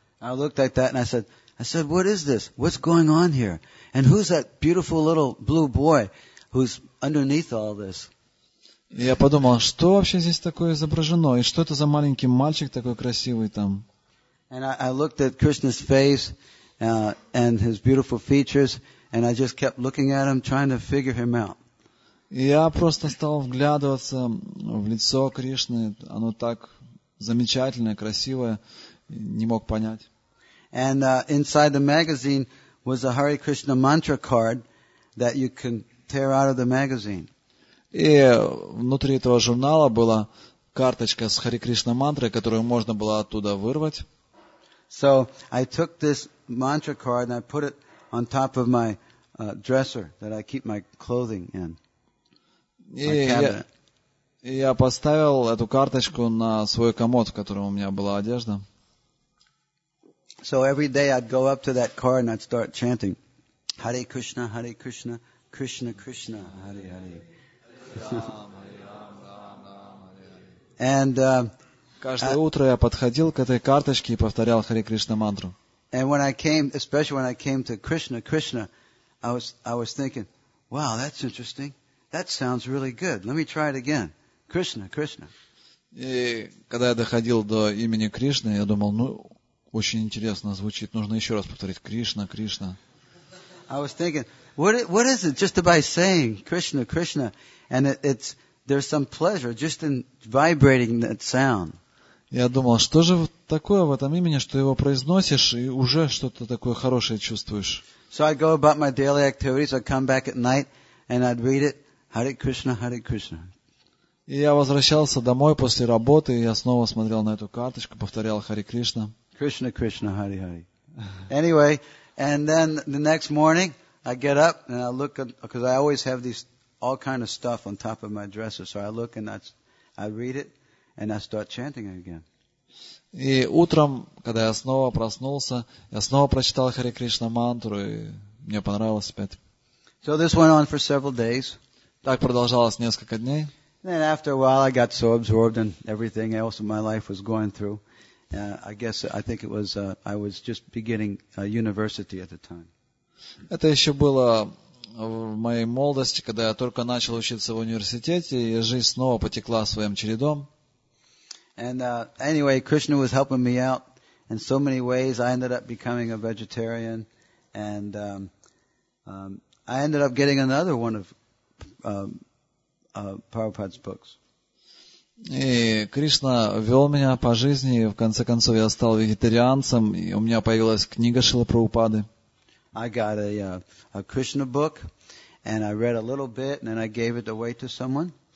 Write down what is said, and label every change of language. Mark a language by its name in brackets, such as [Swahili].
[English] I looked at that and I said, what is this? What's going on here? And who's that beautiful little blue boy who's underneath all this? [Russian] Я подумал, что вообще здесь такое изображено? И что это за маленький мальчик такой красивый там? [English] And I looked at Krishna's face and his beautiful features, and I just kept looking at him, trying to figure him out. [Russian] Я просто стал вглядываться в лицо Кришны. Оно так замечательное, красивое. Не мог понять. [English] And inside the magazine was a Hare Krishna mantra card that you can tear out of the magazine. [Russian] И внутри этого журнала была карточка с Hare Krishna мантрой, которую можно было оттуда вырвать. [English] So I took this mantra card and I put it on top of my dresser that I keep my clothing in. [Russian] Я поставил эту карточку на свой комод, в котором у меня была одежда. [English] So every day I'd go up to that car and I'd start chanting, Hare Krishna, Hare Krishna, Krishna Krishna, Hare Hare. And [Russian] каждое утро я подходил к этой карточке и повторял Hare Krishna мантру. [English] And when I came, especially when I came to Krishna Krishna, I was thinking, wow, that's interesting. That sounds really good. Let me try it again. Krishna Krishna. [Russian] И когда я доходил до имени Кришны, я думал, ну очень интересно звучит. Нужно еще раз повторить. Кришна, Кришна. [English] I was thinking, what is it just by saying Krishna, Krishna? And it's there's some pleasure just in vibrating that sound. [Russian] Я думал, что же такое в этом имени, что его произносишь, и уже что-то такое хорошее чувствуешь. [English] So I'd go about my daily activities. I'd come back at night and I'd read it. [Sanskrit] Hare Krishna, Hare Krishna. [Russian] И я возвращался домой после работы, и я снова смотрел на эту карточку, повторял Hare Krishna. [Sanskrit] Krishna, Krishna, Hare Hare. [English] Anyway, and then the next morning, I get up and I look at, because I always have these all kind of stuff on top of my dresser. So I look and I read it and I start chanting again. [Russian] И утром, когда я снова проснулся, я снова прочитал Hare Krishna мантру, и мне понравилось опять. [English] So this went on for several days. [Russian] Так продолжалось несколько дней. [English] And then after a while, I got so absorbed in everything else in my life was going through. I was just beginning university at the time. [Russian] Это еще было в моей молодости, когда я только начал учиться в университете, и жизнь снова потекла своим чередом. [English] And anyway, Krishna was helping me out in so many ways. I ended up becoming a vegetarian, and I ended up getting another one of Prabhupada's books. [Russian] И Кришна вел меня по жизни, и в конце концов я стал вегетарианцем, и у меня появилась книга Шрилы Прабхупады. [English] I got a Krishna book, and I read a little bit, and then I gave it away to someone.